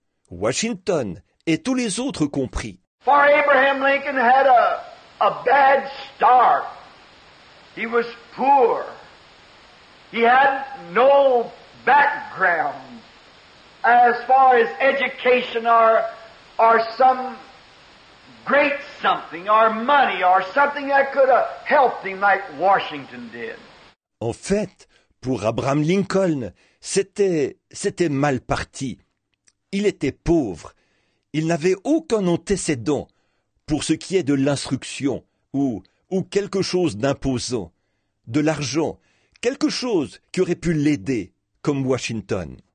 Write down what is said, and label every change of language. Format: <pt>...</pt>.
<fr>Washington et tous les autres compris.</fr> <en>For Abraham Lincoln had a bad start. He was poor. He had no background as far as education or some great something or money or something that could have helped him like Washington did.</en> <fr>En fait, pour Abraham Lincoln, c'était mal parti. Il était pauvre. Il n'avait aucun antécédent pour ce qui est de l'instruction ou quelque chose d'imposant, de l'argent, quelque chose qui aurait pu l'aider, comme Washington.</fr>